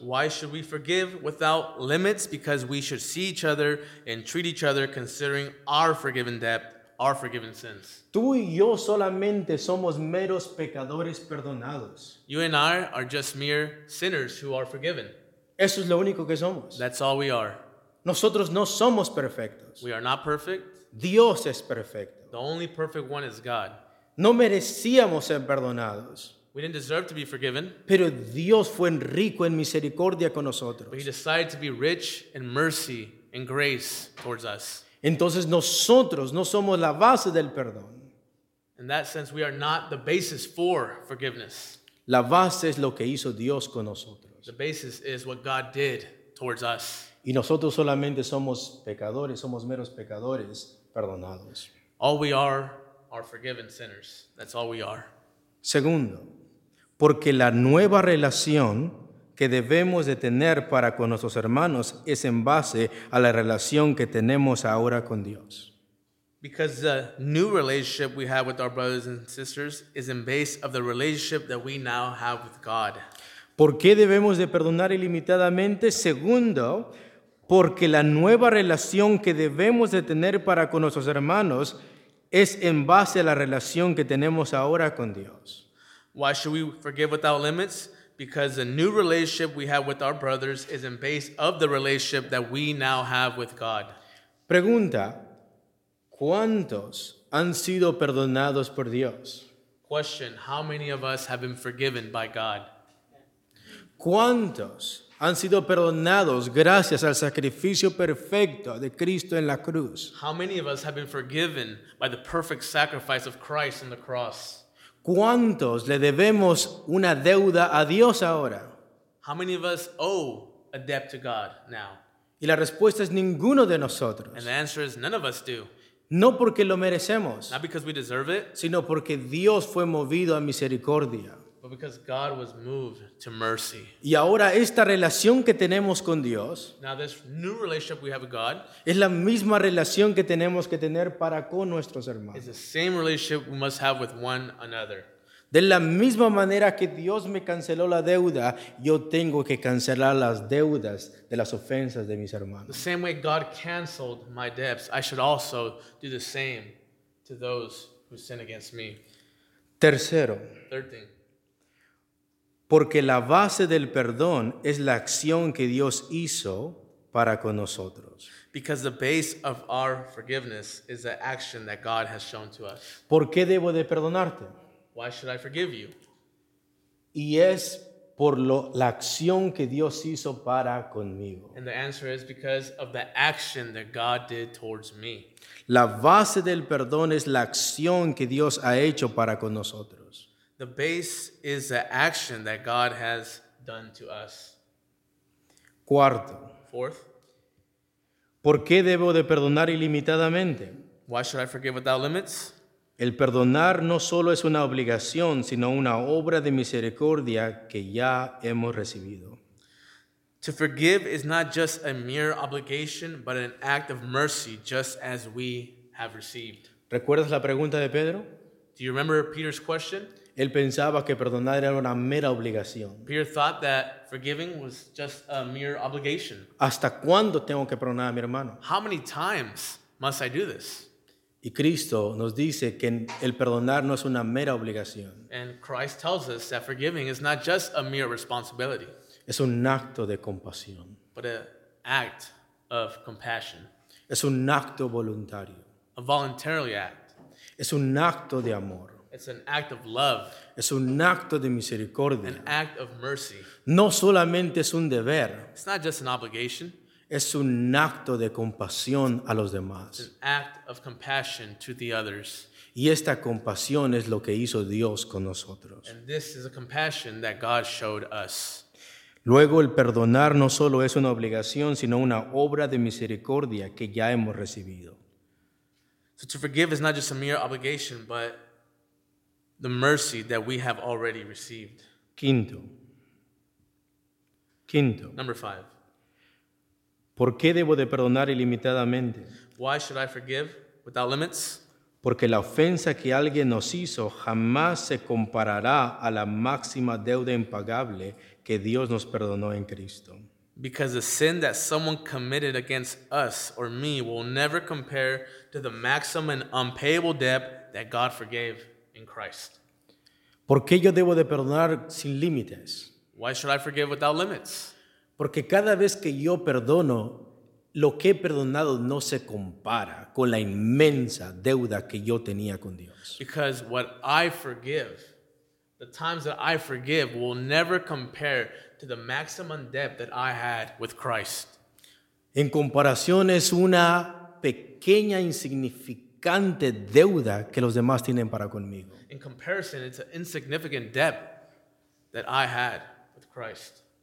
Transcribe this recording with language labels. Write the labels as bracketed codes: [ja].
[en] Why should we forgive without limits? Because we should see each other and treat each other considering our forgiven debt, our forgiven sins. [es] Tú y yo solamente somos meros pecadores perdonados. [en] You and I are just mere sinners who are forgiven. [es] Eso es lo único que somos. [en] That's all we are. [es] Nosotros no somos perfectos. [en] We are not perfect. [es] Dios es perfecto. [en] The only perfect one is God. [es] No merecíamos ser perdonados. [en] We didn't deserve to be forgiven. [es] Pero Dios fue rico en misericordia con nosotros. [en] But he decided to be rich in mercy and grace towards us. [es] Entonces nosotros no somos la base del perdón. [en] In that sense, we are not the basis for forgiveness. [es] La base es lo que hizo Dios con nosotros. [en] The basis is what God did towards us. [es] Y nosotros solamente somos pecadores, somos meros pecadores perdonados. [en] All we are forgiven sinners. That's all we are. [es] Segundo, porque la nueva relación que debemos de tener para con nuestros hermanos es en base a la relación que tenemos ahora con Dios. [en] Because the new relationship we have with our brothers and sisters is in base of the relationship that we now have with God. [es] ¿Por qué debemos de perdonar ilimitadamente? Segundo, porque la nueva relación que debemos de tener para con nuestros hermanos es en base a la relación que tenemos ahora con Dios. [en] Why should we forgive without limits? Because the new relationship we have with our brothers is in base of the relationship that we now have with God. [es] Pregunta, ¿cuántos han sido perdonados por Dios? [en] Question, how many of us have been forgiven by God? [es] ¿Cuántos han sido perdonados gracias al sacrificio perfecto de Cristo en la cruz? [en] How many of us have been forgiven by the perfect sacrifice of Christ on the cross? [es] ¿Cuántos le debemos una deuda a Dios ahora? [en] How many of us owe a debt to God now? [es] Y la respuesta es ninguno de nosotros. [en] And the answer is none of us do. [es] No porque lo merecemos. [en] Not because we deserve it. [es] Sino porque Dios fue movido a misericordia. [en] But because God was moved to mercy. [es] Y ahora esta relación que tenemos con Dios. [en] Now this new relationship we have with God. [es] Es la misma relación que tenemos que tener para con nuestros hermanos. [en] It's the same relationship we must have with one another. [es] De la misma manera que Dios me canceló la deuda, yo tengo que cancelar las deudas de las ofensas de mis hermanos. [en] The same way God canceled my debts, I should also do the same to those who sin against me. [es] Tercero. [en] Third thing. [es] Porque la base del perdón es la acción que Dios hizo para con nosotros. [en] Because the base of our forgiveness is the action that God has shown to us. [es] ¿Por qué debo de perdonarte? [en] Why should I forgive you? [es] Y es por la acción que Dios hizo para conmigo. [en] And the answer is because of the action that God did towards me. [es] La base del perdón es la acción que Dios ha hecho para con nosotros. [en] The base is the action that God has done to us. [es] Cuarto. [en] Fourth. [es] ¿Por qué debo de perdonar ilimitadamente? [en] Why should I forgive without limits? [es] El perdonar no solo es una obligación, sino una obra de misericordia que ya hemos recibido. [en] To forgive is not just a mere obligation, but an act of mercy, just as we have received. [es] ¿Recuerdas la pregunta de Pedro? [en] Do you remember Peter's question? [es] Él pensaba que perdonar era una mera obligación. [en] Peter thought that forgiving was just a mere obligation. [es] ¿Hasta cuándo tengo que perdonar a mi hermano? [en] How many times must I do this? [es] Y Cristo nos dice que el perdonar no es una mera obligación. [en] And Christ tells us that forgiving is not just a mere responsibility. [es] Es un acto de compasión. [en] But an act of compassion. [es] Es un acto voluntario. [en] A voluntary act. [es] Es un acto de amor. [en] It's an act of love. [es] Es un acto de misericordia. [en] An act of mercy. [es] No solamente es un deber. [en] It's not just an obligation. [es] Es un acto de compasión a los demás. [en] It's an act of compassion to the others. [es] Y esta compasión es lo que hizo Dios con nosotros. [en] And this is a compassion that God showed us. [es] Luego, el perdonar no solo es una obligación, sino una obra de misericordia que ya hemos recibido. [en] So to forgive is not just a mere obligation, but the mercy that we have already received. [es] Quinto. [en] Number five. [es] ¿Por qué debo de perdonar ilimitadamente? [en] Why should I forgive without limits? [es] Porque la ofensa que alguien nos hizo jamás se comparará a la máxima deuda impagable que Dios nos perdonó en Cristo. [en] Because the sin that someone committed against us or me will never compare to the maximum and unpayable debt that God forgave in Christ. [es] ¿Por qué yo debo de perdonar sin límites? [en] Why should I forgive without limits? [es] Porque cada vez que yo perdono, lo que he perdonado no se compara con la inmensa deuda que yo tenía con Dios. [en] Because what I forgive, the times that I forgive will never compare to the maximum debt that I had with Christ. [es] En comparación, es una pequeña insignificante deuda que los demás tienen para conmigo. [en] In comparison, it's an insignificant debt that I had with Christ.